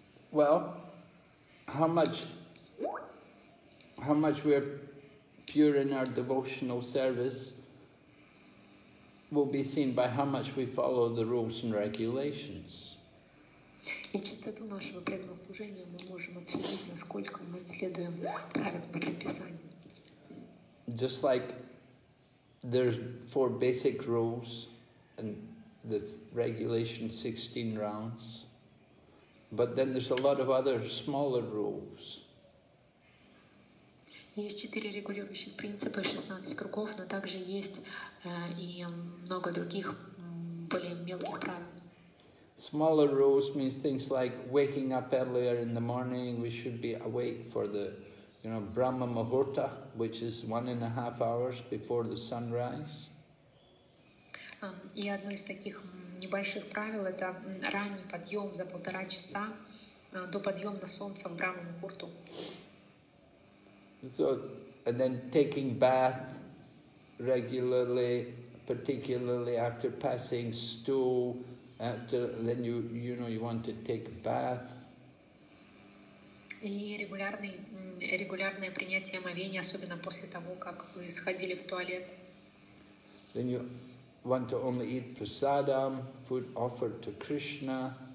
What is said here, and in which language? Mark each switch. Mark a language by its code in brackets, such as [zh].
[en] Well, how much we're pure in our devotional service will be seen by how much we follow the rules and regulations. [ru] И чистоту нашего преданного служения мы можем отследить, насколько мы следуем правилам предписания. [en] Just like there's four basic rules and the regulation 16 rounds, but then there's a lot of other smaller rules. [ru] Есть четыре регулирующих принципа, 16 кругов, но также есть и много других более мелких правил. [en] Smaller rules means things like waking up earlier in the morning. We should be awake for the, you know, Brahma Muhurta, which is 1.5 hours before the sunrise. [ru] И одно из таких небольших правил — это ранний подъем за 1.5 часа до подъема на солнце в Брахма Мухурту. [en] So, and then taking bath regularly, particularly after passing stool. After, then you know, you want to take a bath. [ru] И регулярное принятие омовения, особенно после того, как вы сходили в туалет. [en] Then you want to only eat prasadam, food offered to Krishna.